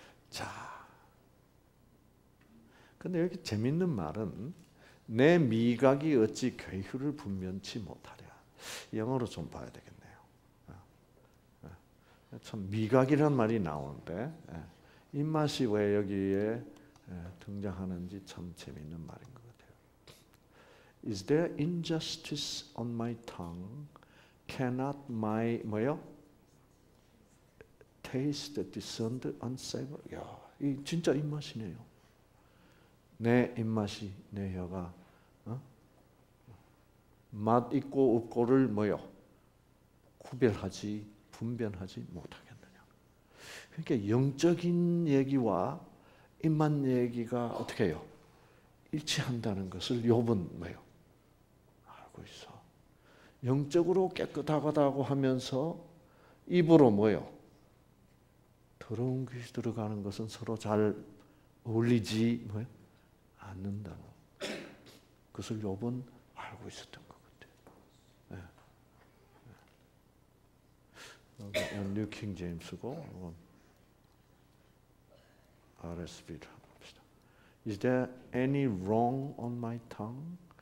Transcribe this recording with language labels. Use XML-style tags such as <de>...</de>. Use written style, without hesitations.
<ko>자, 근데 여기 재밌는 말은 내 미각이 어찌 괴휼을 분면치 못하랴. 영어로 좀 봐야 되겠네요. 참 미각이란 말이 나오는데 입맛이 왜 여기에 등장하는지 참 재미있는 말인 것 같아요.</ko> <en>Is there injustice on my tongue? Cannot my</en> <ko>뭐요?</ko> <en>Taste discerned unsavory.</en> <ko>야, 이 진짜 입맛이네요. 내 입맛이 내 혀가 맛 있고 없고를 뭐요? 구별하지 분별하지 못하겠느냐. 그러니까 영적인 얘기와 입맛 얘기가 어떻게 해요? 일치한다는 것을 욥은 뭐요? 알고 있어. 영적으로 깨끗하다고 하면서 입으로 뭐요? 더러운 것이 들어가는 것은 서로 잘 어울리지 뭐요? 않는다는 것을 욥은 알고 있었던 것 같아요. 네. 네. 이건 뉴 킹 제임스고 이건 RSV를 한번 봅시다.</ko> <en>Is there any wrong on my tongue?</en>